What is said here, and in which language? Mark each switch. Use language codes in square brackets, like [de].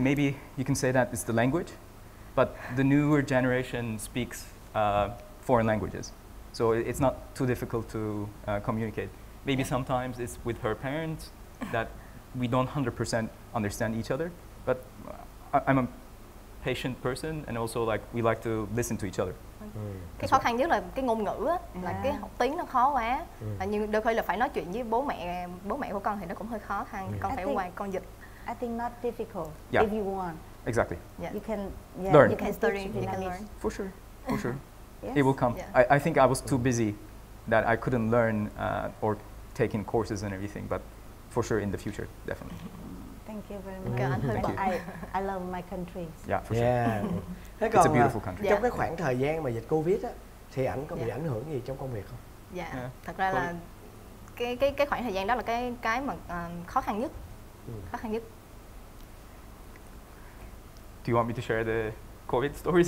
[en] Maybe you can say that it's the language, but the newer generation speaks foreign languages, so it's not too difficult to communicate. Maybe sometimes it's with her parents that we don't 100% understand each other, but I'm a patient person and also like we like to listen to each other. [vi] Cái khó khăn nhất là cái ngôn ngữ á, là cái học tiếng nó khó quá. Nhưng đôi khi là phải nói chuyện với bố mẹ của con thì nó cũng hơi khó khăn. Con phải ngoài con dịch. [en] I think not difficult if you want. Exactly. Yeah. You can learn. You can study. You can learn. For sure. For sure. Yes. It will come. Yeah. I think I was too busy that I couldn't learn or take in courses and everything, but for sure in the future, definitely. Thank you very much. Mm-hmm. I love my country. Yeah, for sure. It's a beautiful country. [vi] Trong cái khoảng thời gian mà dịch Covid á, thì ảnh có bị ảnh hưởng gì trong công việc không? Thật ra COVID. Là cái khoảng thời gian đó là cái mà khó khăn nhất. Khó khăn nhất. [en] Do you want me to share the COVID stories?